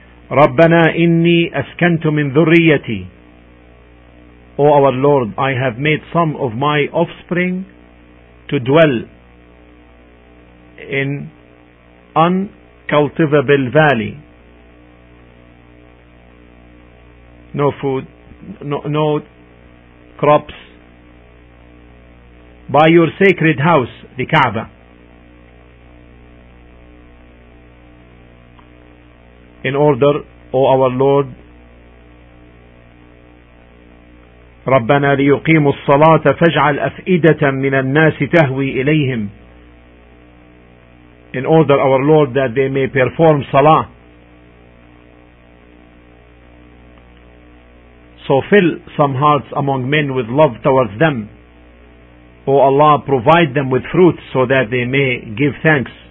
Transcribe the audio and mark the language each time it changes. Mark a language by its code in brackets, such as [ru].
[ar] رَبَّنَا إِنِّي أَسْكَنْتُ مِنْ ذُرِّيَّتِي [en] O our Lord, I have made some of my offspring to dwell in uncultivable valley. No food, no crops. By your sacred house, the Kaaba. In order, O our Lord, [ar] ربنا ليقيموا الصلاة فاجعل أفئدة من الناس تهوي إليهم. [en] In order, our Lord, that they may perform salah, so fill some hearts among men with love towards them. O Allah, provide them with fruit so that they may give thanks.